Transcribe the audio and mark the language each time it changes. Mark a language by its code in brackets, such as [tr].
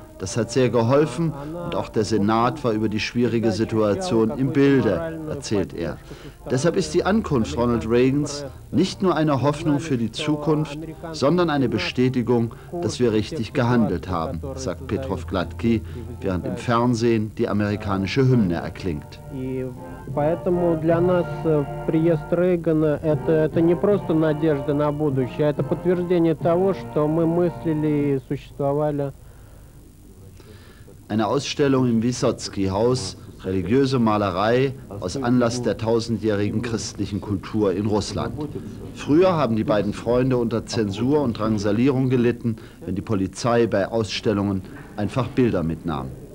[de] Das hat sehr geholfen und auch der Senat war über die schwierige Situation im Bilde, erzählt er. Deshalb ist die Ankunft Ronald Reagans nicht nur eine Hoffnung für die Zukunft, sondern eine Bestätigung, dass wir richtig gehandelt haben, sagt Petrov-Gladky, während im Fernsehen die amerikanische Hymne erklingt. [ru] Поэтому для нас приезд Рейгана это не просто надежда на будущее, это подтверждение того, что мы мыслили и существовали. [de] Eine Ausstellung im Wissotsky-Haus, religiöse Malerei aus Anlass der 1000-jährigen christlichen Kultur in Russland. Früher haben die beiden Freunde unter Zensur und Drangsalierung gelitten, wenn die Polizei bei Ausstellungen einfach Bilder mitnahm.